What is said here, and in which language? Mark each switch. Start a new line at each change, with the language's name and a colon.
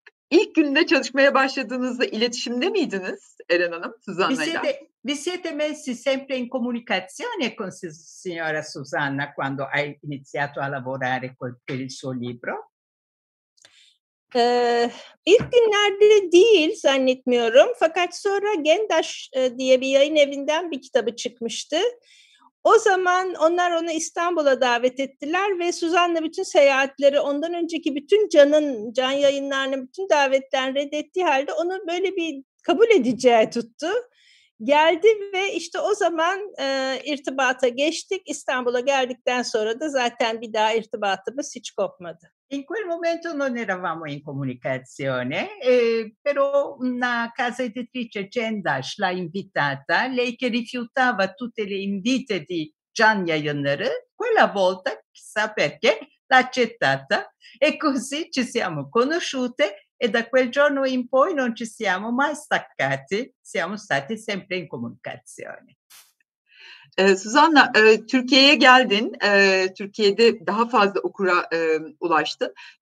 Turkish: İlk günde çalışmaya başladığınızda iletişimde miydiniz Eren Hanım, Susanna'yla?
Italian: Vi siete messi sempre in comunicazione con signora Susanna quando hai iniziato a lavorare per il suo libro?
Turkish: İlk günlerde değil zannetmiyorum. Fakat sonra Gendaş diye bir yayın evinden bir kitabı çıkmıştı. O zaman onlar onu İstanbul'a davet ettiler ve Suzan'la bütün seyahatleri, ondan önceki bütün can yayınlarını bütün davetten reddettiği halde onu böyle bir kabul edeceği tuttu. Geldi ve işte o zaman irtibata geçtik. İstanbul'a geldikten sonra da zaten bir daha irtibatımız hiç kopmadı.
Italian: In quel momento non eravamo in comunicazione, però una casa editrice, Gendaş, l'ha invitata, lei che rifiutava tutte le invite di Gian Yayınları, quella volta, chissà perché, l'ha accettata e così ci siamo conosciute e da quel giorno in poi non ci siamo mai staccati, siamo stati sempre in comunicazione.
Turkish: Susanna, Türkiye'ye geldin. Türkiye'de daha fazla okura ulaştın.